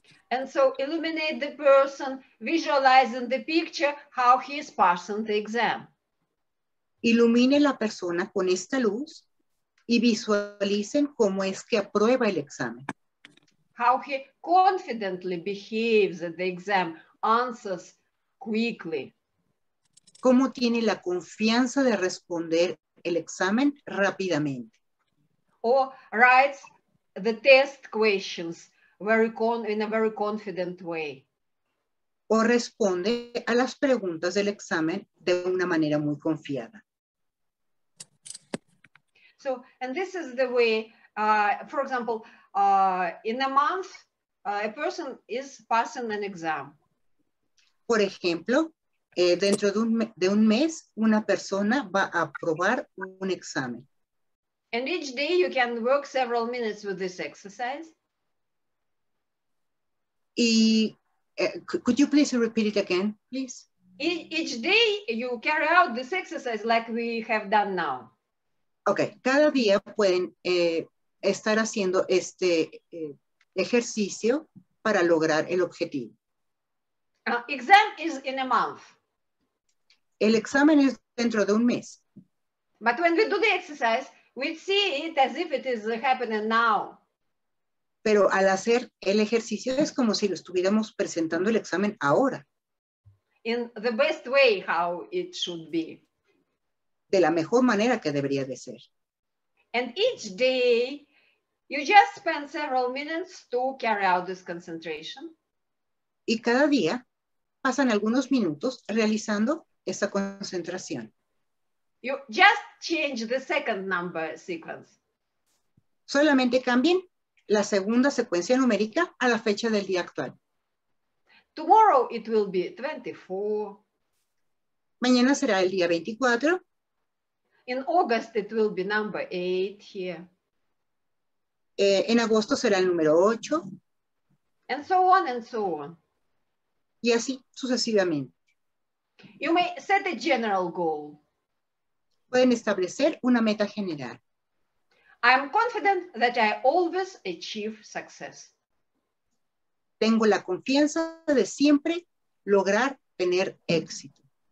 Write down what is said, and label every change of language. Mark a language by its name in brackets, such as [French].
[English] And so illuminate the person, visualizing the picture how he is passing the exam. [Spanish] Ilumine la persona con esta luz y visualicen cómo es que aprueba el examen. [English] How he confidently behaves at the exam, answers quickly. [Spanish] ¿Cómo tiene la confianza de responder el examen rápidamente? [English] Or writes the test questions in a very confident way. [Spanish] O responde a las preguntas del examen de una manera muy confiada. [English] So, and this is the way, for example, in a month, a person is passing an exam. [Spanish] Por ejemplo, dentro de un mes, una persona va a aprobar un examen. [English] And each day you can work several minutes with this exercise. Y could you please repeat it again, please? Each day you carry out this exercise like we have done now. [Spanish] Okay, cada día pueden estar haciendo este ejercicio para lograr el objetivo. [English] Exam is in a month. [Spanish] El examen es dentro de un mes. [English] But when we do the exercise, we see it as if it is happening now. [Spanish] Pero al hacer el ejercicio es como si lo estuviéramos presentando el examen ahora. [English] In the best way how it should be. [Spanish] De la mejor manera que debería de ser. [English] And each day you just spend several minutes to carry out this concentration. [Spanish] Y cada día pasan algunos minutos realizando esa concentración. [English] You just change the second number sequence. [Spanish] Solamente cambien la segunda secuencia numérica a la fecha del día actual. [English] Tomorrow it will be 24. [Spanish] Mañana será el día 24. [English] In August it will be number 8 here. [Spanish] En agosto será el número 8. [English] And so on and so on. [Spanish] Y así sucesivamente. [English] You may set a general goal. [Spanish] Pueden establecer una meta general. [English] I am confident that I always achieve success. [Spanish] Tengo la confianza de siempre lograr tener éxito.